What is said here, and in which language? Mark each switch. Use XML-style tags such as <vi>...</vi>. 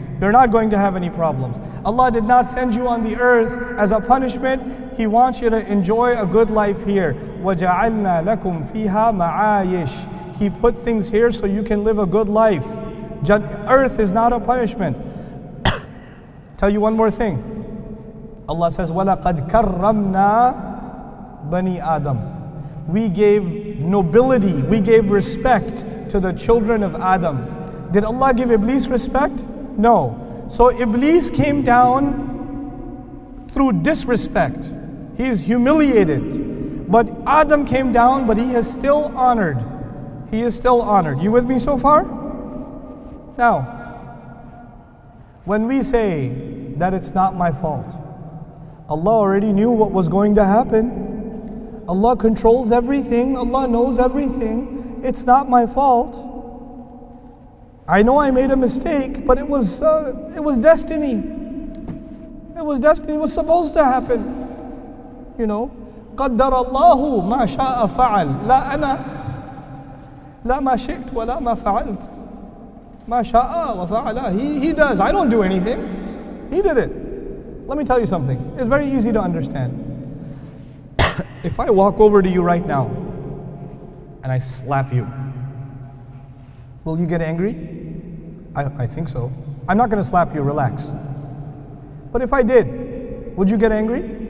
<en>You're not going to have any problems. Allah did not send you on the earth as a punishment. He wants you to enjoy a good life here.</en> <ar>وَجَعَلْنَا لَكُمْ فِيهَا مَعَايِشْ.</ar> <en>He put things here so you can live a good life. Earth is not a punishment. Tell you one more thing. Allah says,</en> <ar>وَلَقَدْ كَرَّمْنَا بَنِي آدَمْ.</ar> <en>We gave nobility, we gave respect to the children of Adam. Did Allah give Iblis respect? No. So Iblis came down through disrespect. He's humiliated. But Adam came down, but he is still honored. He is still honored. You with me so far? Now, when we say that it's not my fault, Allah already knew what was going to happen. Allah controls everything. Allah knows everything. It's not my fault. I know I made a mistake, but it was destiny. It was destiny. It was supposed to happen. You know,</en> <ar>قدر الله ما شاء فعل لا أنا لا ما شئت ولا ما فعلت ما شاء وفعل.</ar> <en>He does. I don't do anything. He did it. Let me tell you something. It's very easy to understand. If I walk over to you right now and I slap you, will you get angry? I think so. I'm not going to slap you, relax. But if I did, would you get angry?</en>